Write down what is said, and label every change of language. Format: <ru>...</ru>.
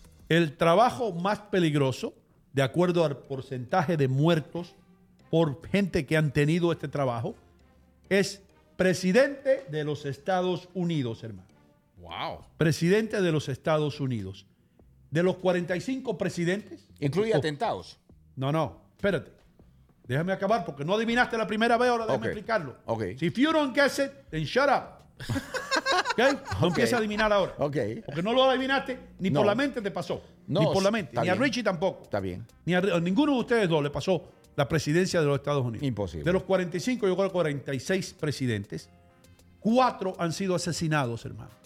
<es>El trabajo más peligroso, de acuerdo al porcentaje de muertos por gente que han tenido este trabajo, es... Presidente de los Estados Unidos, hermano. Wow. Presidente de los Estados Unidos. De los 45 presidentes. ¿Incluye atentados? No. Espérate. Déjame acabar porque no adivinaste la primera vez. Ahora déjame explicarlo. Ok.</es> <en>If you don't guess it, then shut up.</en> <es>¿Ok? No empieces a adivinar ahora. Ok. Porque no lo adivinaste ni por la mente te pasó. No. Ni por la mente. Ni a Richie tampoco. Está bien. Ni a ninguno de ustedes dos le pasó. La presidencia de los Estados Unidos. Imposible. De los 45, yo creo que 46 presidentes, 4 han sido asesinados, hermano.</es>